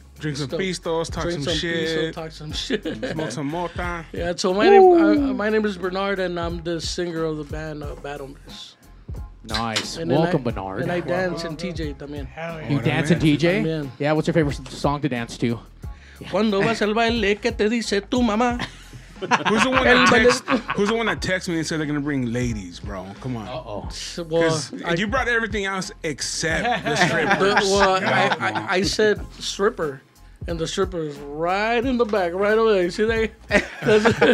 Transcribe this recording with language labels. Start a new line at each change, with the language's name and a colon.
English: drink some pistos, talk some shit. Smoke some mota. Yeah, so my name is Bernard, and I'm the singer of the band Bad Hombres. Nice. And welcome, Bernard. And I dance and DJ.
Spanish: También.
English: Hell yeah. You dance and DJ?
Spanish: También.
English: Yeah, what's your favorite song to dance to?
Spanish: Cuando vas al baile, ¿qué te dice tu mamá?
English: Who's the one that texted me and said they're going to bring ladies, bro? Come on. Uh-oh. Well, you brought everything else except the strippers. I said stripper, and the stripper is right in the back, right over there. You see that?